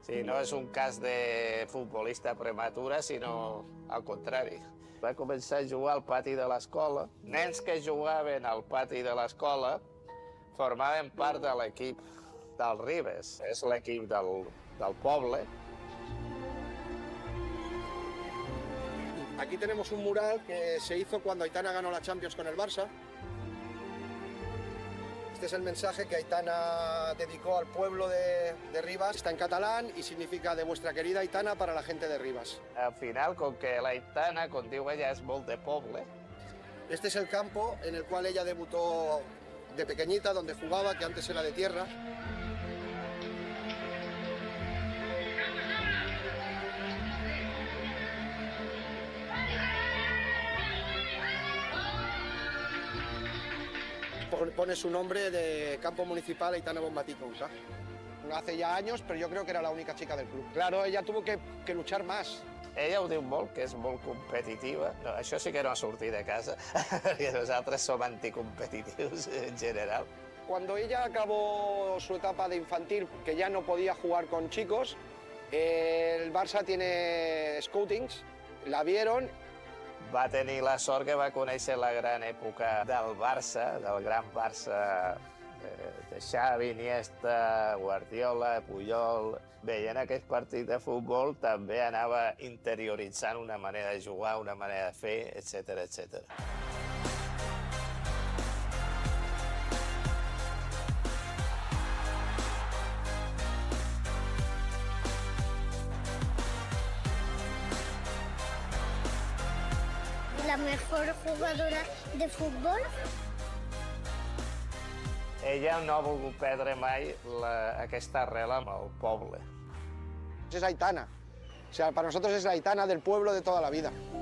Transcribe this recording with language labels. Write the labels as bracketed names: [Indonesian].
[Catalan] No és un cas de futbolista prematura, sinó al contrari. Va començar a jugar al pati de l'escola. Nens que jugaven al pati de l'escola formaven part de l'equip del Ribes, és l'equip del poble. [Spanish] Aquí tenemos un mural que se hizo cuando Aitana ganó la Champions con el Barça. Este es el mensaje que Aitana dedicó al pueblo de Ribas. Está en catalán y significa de vuestra querida Aitana para la gente de Ribas. Al final, con que la Aitana, con digo ella, es [Catalan] molt de poble. [Spanish] Este es el campo en el cual ella debutó de pequeñita, donde jugaba, que antes era de tierra. Thank you. pone su nombre de campo municipal Aitana Bonmatí Couto. Hace ya años, pero yo creo que era la única chica del club. Claro, ella tuvo que luchar más. [Catalan] Ella ho diu molt, que és molt competitiva. No, això sí que no ha sortit de casa, perquè nosaltres som anticompetitius en general. [Spanish] Cuando ella acabó su etapa de infantil, que ya no podía jugar con chicos, el Barça tiene scoutings, la vieron. [Catalan] Va tenir la sort que va conèixer la gran època del Barça, del gran Barça de Xavi, Iniesta, Guardiola, Puyol. Veient aquest partit de futbol, també anava interioritzant una manera de jugar, una manera de fer, etc, etc. [Spanish] La mejor jugadora de futbol. [Catalan] Ella no ha volgut perdre mai aquesta arrel amb el poble. És Aitana. [Spanish] O sea, para nosotros es la Aitana del pueblo de toda la vida.